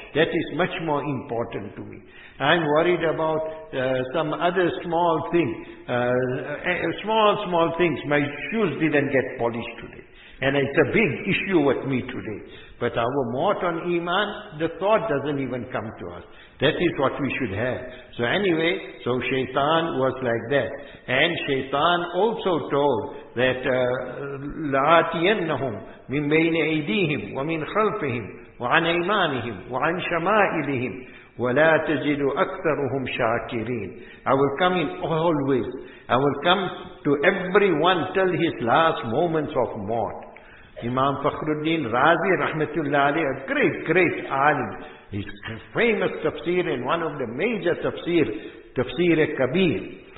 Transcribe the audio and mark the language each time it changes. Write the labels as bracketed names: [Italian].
[English] That is much more important to me. I'm worried about some other small thing. Small things. My shoes didn't get polished today. And it's a big issue with me today. But our maut on Iman, the thought doesn't even come to us. That is what we should have. So anyway, so Shaitan was like that. And Shaitan also told that [Arabic] لَآتِيَنَّهُمْ مِنْ بَيْنِ أَيْدِيهِمْ وَمِنْ خَلْفِهِمْ وَعَنْ أَيْمَانِهِمْ وَعَنْ شَمَائِلِهِمْ وَلَا تَجِدُ أَكْثَرُهُمْ شَاكِرِينَ. [English] I will come in always. I will come to everyone till his last moments of mort. Imam Fakhruddin Razi Rahmatullah Ali, a great, great alim. His famous tafsir and one of the major tafsir, Tafsir-e-Kabir.